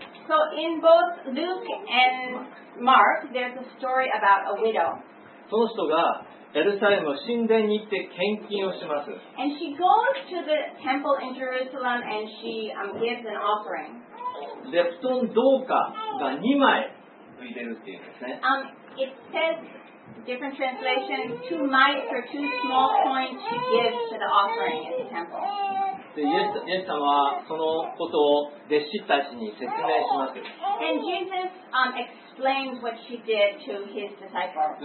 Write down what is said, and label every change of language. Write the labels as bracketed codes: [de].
[en] So in both Luke and Mark, there's a story about a widow. [ja] その人がエルサレムの神殿に行って献金をします。 [en] And she goes to the temple in Jerusalem and she gives an offering. [ja] レプトン銅貨が2枚入れるっていうんですね。 [en] It says different translation, two mites or two small coins she gives to the offering in the temple. [ja] でイエス様はそのことを弟子たちに説明します。 [en] And Jesus explains what she did to his disciples.